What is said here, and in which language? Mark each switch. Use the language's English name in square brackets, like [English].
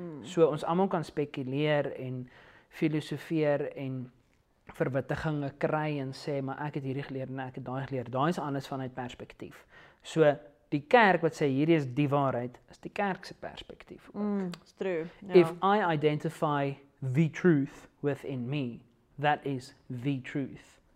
[Afrikaans] So ons allemaal kan spekuleer, en filosofeer, en verwittiginge kry, en sê, maar ek het hierdie geleer, en ek het daai geleer, daai is anders vanuit perspektief. So, die kerk wat sê, hierdie is die waarheid, is die kerkse perspektief. [English] It's true. Yeah. If I identify the truth within me, that is the truth.